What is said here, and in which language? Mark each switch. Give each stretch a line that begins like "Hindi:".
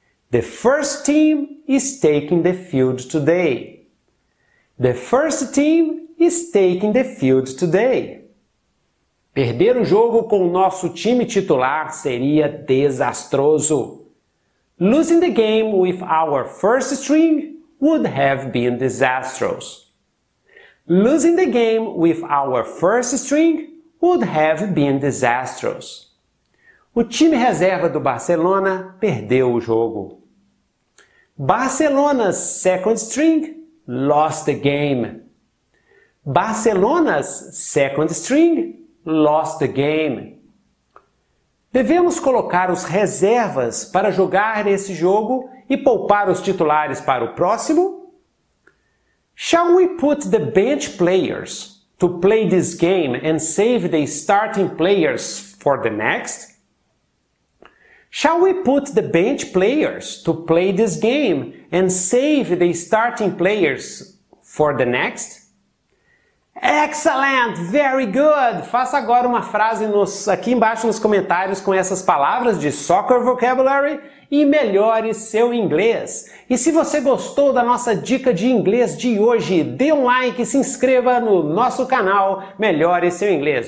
English: The first team is taking the field today. The first team is taking the field today.
Portuguese: Perder o jogo com o nosso time titular seria desastroso.
English: Losing the game with our first string would have been disastrous. Losing the game with our first string would have been disastrous.
Portuguese: O time reserva do Barcelona perdeu o jogo.
English: Barcelona's second string lost the game. Barcelona's second string lost the game.
Portuguese: Devemos colocar os reservas para jogar esse jogo e poupar os titulares para o próximo?
English: Shall we put the bench players to play this game and save the starting players for the next? Shall we put the bench players to play this game and save the starting players for the next? Excellent! Very good!
Portuguese: Faça agora uma frase aqui embaixo nos comentários com essas palavras de
English: soccer vocabulary
Portuguese: e melhore seu inglês. E se você gostou da nossa dica de inglês de hoje, dê um like e se inscreva no nosso canal Melhore Seu Inglês.